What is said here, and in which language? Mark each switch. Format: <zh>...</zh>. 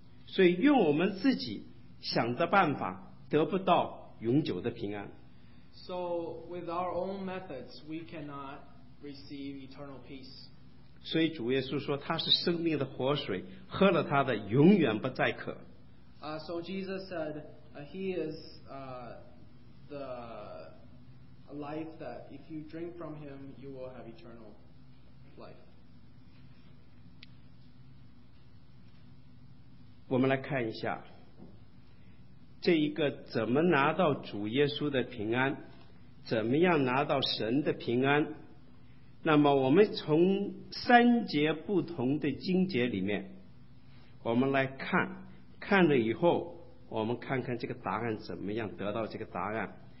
<zh>所以用我们自己想的办法，得不到永久的平安。</zh> <en>So with our own methods, we cannot receive eternal peace.</en> <zh>所以主耶稣说他是生命的活水，喝了他的永远不再渴。</zh> <en>So Jesus said, he is the life that if you drink from him, you will have eternal life.</en> <zh>我们来看一下这一个怎么拿到主耶稣的平安。怎么样拿到神的平安？那么我们从三节不同的经节里面，我们来看，看了以后，我们看看这个答案怎么样得到这个答案。</zh>